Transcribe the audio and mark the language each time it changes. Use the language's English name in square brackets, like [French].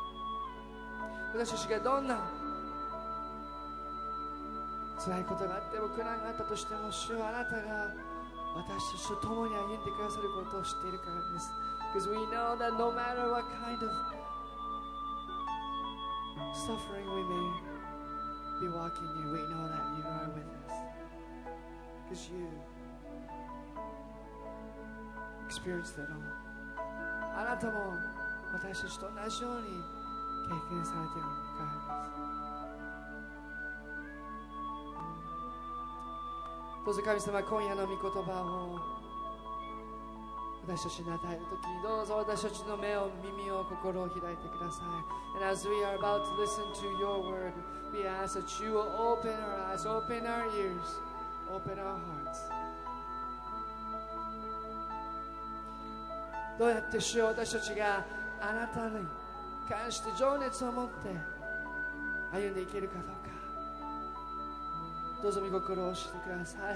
[Japanese] Yeah. 私たちがどんな辛いことがあっても苦難があったとしても主はあなたが私たちと共に歩んでくださることを知っているからです。 [English] Because we know that no matter what kind of suffering we may be walking in, we know that you are with us. Because you experienced it all. [Japanese] あなたも私たちと同じように経験されているからです。どうぞ神様、今夜の御言葉を私たちに与えるときに、どうぞ私たちの目を、耳を、心を開いてください。 [English] And as we are about to listen to your word, we ask that you will open our eyes, open our ears, open our hearts. [Japanese] どうやって主よ、私たちがあなたに関して情熱を持って歩んでいけるかどうか。どうぞ御心を教えてください。